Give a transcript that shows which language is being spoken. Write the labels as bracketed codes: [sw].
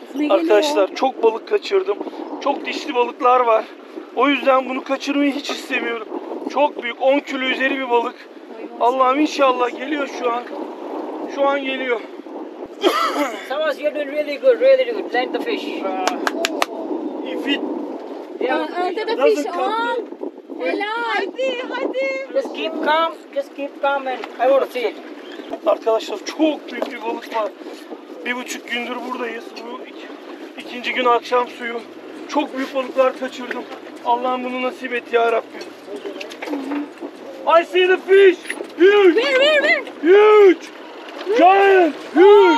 [tr] Arkadaşlar çok balık kaçırdım. Çok dişli balıklar var. O yüzden bunu kaçırmayı hiç istemiyorum. Çok büyük. 10 kilo üzeri bir balık. Allah'ım inşallah geliyor şu an. Şu an geliyor. [en] Samas, you're doing really good. Really good. Land the fish. Oh. If it doesn't come. [tr] Hadi, hadi. [en] Just keep calm. Just keep calm and I want to see it. [tr] Arkadaşlar çok büyük bir balık var. 1,5 gündür buradayız. Bu ikinci gün akşam suyu. Çok büyük balıklar kaçırdım. Allah'ım bunu nasip et ya Rabbim. [en] I see the fish. Huge. [tr] Ver ver ver. [en] Huge. Giant. Huge.